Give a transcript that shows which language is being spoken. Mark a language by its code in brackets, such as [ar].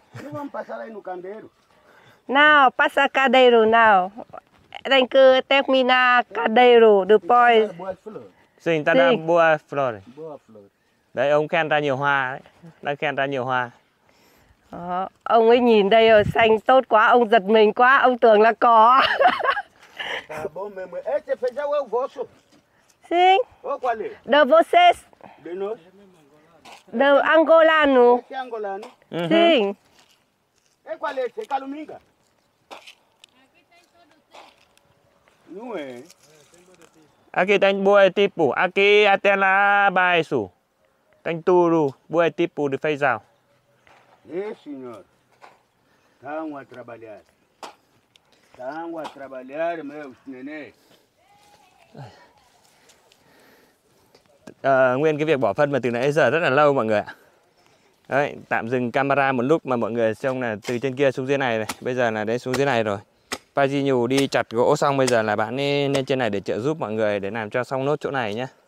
[pt] Não vamos passar aí no candeiro? Não, passa cadeiro, não. Tem que terminar cadeiro depois. Sim, está dando boa flor. Boa flor. [vi] Đấy, ông khen ra nhiều hoa đấy. Đang khen ra nhiều hoa. Đó, ông ấy nhìn đây rồi, xanh tốt quá, ông giật mình quá, ông tưởng là có. [pt] Tá bom mesmo. Este feijão é o vosso? Sim. O qual é? De vocês. De nós? De angolano. Este é angolano? Uhum. Sim. E qual é esse? Caluminga? Aqui tem todo tipo. Não é? Aqui tem boa tipo. Aqui até lá baixo. Tem tudo. Boa tipo de feijão. E senhor? Estão a trabalhar. Estão a trabalhar, meus nenês. [vi] Nguyên cái việc bỏ phân mà từ nãy giờ rất là lâu mọi người ạ. Đấy, tạm dừng camera một lúc mà mọi người xem là từ trên kia xuống dưới này này. Bây giờ là đến xuống dưới này rồi. Pajinyu đi chặt gỗ xong, bây giờ là bạn ấy lên trên này để trợ giúp mọi người để làm cho xong nốt chỗ này nhé.